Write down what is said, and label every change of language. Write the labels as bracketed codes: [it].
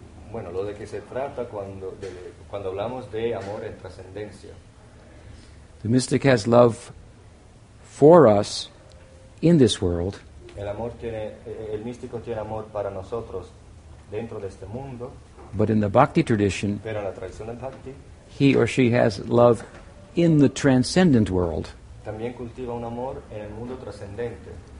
[es] Bueno, lo de que se trata cuando hablamos de amor en trascendencia. [en] The mystic has love for us in this world. [es] El místico tiene amor para nosotros dentro de este mundo. [en] But in the bhakti tradition, [es] pero en la tradición del bhakti, [en] he or she has love in the transcendent world. [es] También cultiva un amor en el mundo trascendente.